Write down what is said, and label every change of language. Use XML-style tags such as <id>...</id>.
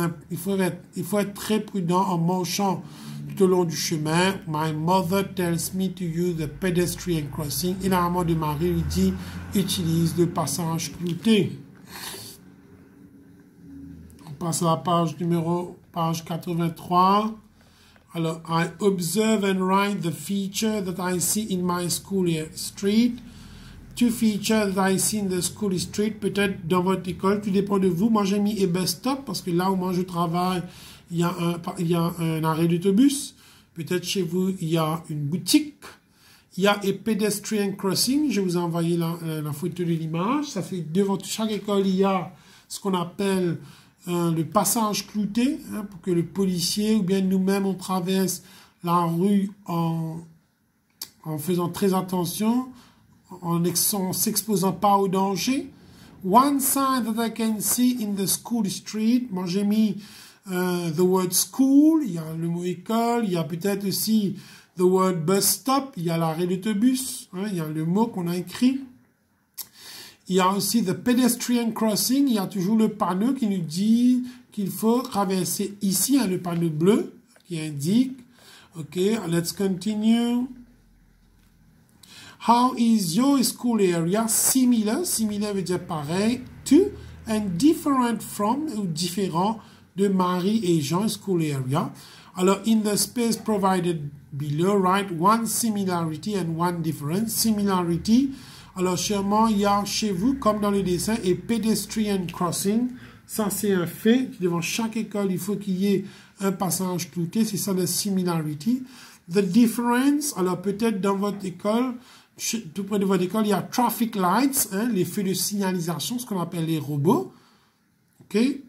<fr>Il faut être très prudent en marchant tout au long du chemin.</fr> <en>My mother tells me to use the pedestrian crossing.</en> <fr>Et la maman de Marie lui dit, utilise le passage clouté. On passe à la page 83.</fr> <en>Alors, I observe and write the feature that I see in my school street. Two features that I see in the school street.</en> <fr>Peut-être dans votre école, tout dépend de vous. Moi, j'ai mis</fr> <en>a bus stop</en> <fr>parce que là où moi je travaille, il y a un arrêt d'autobus. Peut-être chez vous, il y a une boutique. Il y a</fr> <en>a pedestrian crossing.</en> <fr>Je vous ai envoyé la photo de l'image. Ça fait devant chaque école, il y a ce qu'on appelle le passage clouté, hein, pour que le policier ou bien nous-mêmes, on traverse la rue en faisant très attention, en s'exposant pas au danger.</fr> <en>One sign that I can see in the school street.</en> <fr>Moi, j'ai mis</fr> <en>the word school,</en> <fr>il y a le mot école, il y a peut-être aussi</fr> <en>the word bus stop,</en> <fr>il y a l'arrêt d'autobus, hein, il y a le mot qu'on a écrit. Il y a aussi</fr> <en>the pedestrian crossing,</en> <fr>il y a toujours le panneau qui nous dit qu'il faut traverser ici, hein, le panneau bleu qui indique.</fr> <en>Ok, let's continue. How is your school area similar?</en> <fr>Similar veut dire pareil.</fr> <en>To and different from,</en> <fr>ou différent de Marie et Jean's</fr> <en>school area. Alors, in the space provided below, write one similarity and one difference. Similarity.</en> <fr>Alors, sûrement, il y a chez vous, comme dans le dessin, et pedestrian crossing. Ça, c'est un fait. Devant chaque école, il faut qu'il y ait un passage clouté. C'est ça, la similarity.</fr> <en>The difference.</en> <fr>Alors, peut-être dans votre école, tout près de votre école, il y a</fr> <en>traffic lights,</en> <fr>hein, les feux de signalisation, ce qu'on appelle les robots. Okay?</fr>